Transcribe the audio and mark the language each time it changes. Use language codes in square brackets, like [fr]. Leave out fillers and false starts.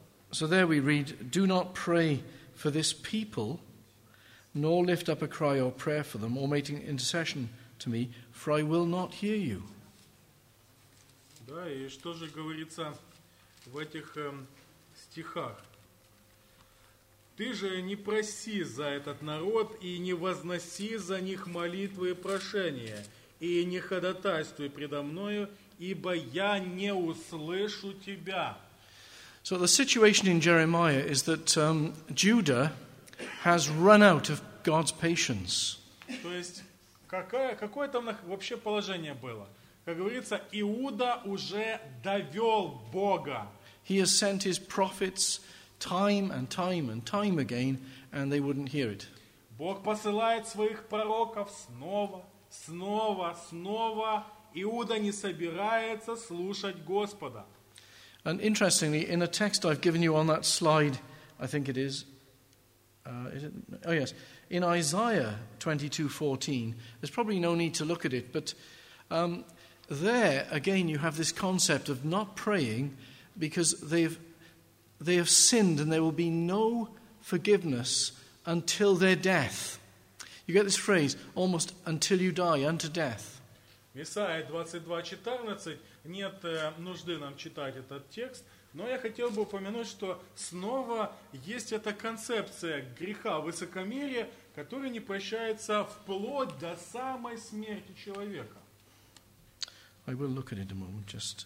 [en] So there we read, do not pray for this people, nor lift up a cry or prayer for them, or make an intercession to me, for I will not hear you. [ru] Да, и что же говорится в этих стихах? Ты же не проси за этот народ, и не возноси за них молитвы и прошения, и не ходатайствуй предо мною, ибо я не услышу тебя. [en] So the situation in Jeremiah is that Judah has run out of God's patience. [ru] То есть какое там вообще положение было? Как говорится, Иуда уже довёл Бога. [en] He has sent his prophets time and time and time again, and they wouldn't hear it. [ru] Бог посылает своих пророков снова, снова, снова. Иуда не собирается слушать Господа. [en] And interestingly, in a text I've given you on that slide, I think it is, in Isaiah 22:14, there's probably no need to look at it, but there, again, you have this concept of not praying because they have sinned and there will be no forgiveness until their death. You get this phrase, almost until you die, unto death. [ru] Исайя 22:14. Нет нужды нам читать этот текст, но я хотел бы упомянуть, что снова есть эта концепция греха высокомерия, который не прощается вплоть до самой смерти человека. [en] I will look at it a moment, just...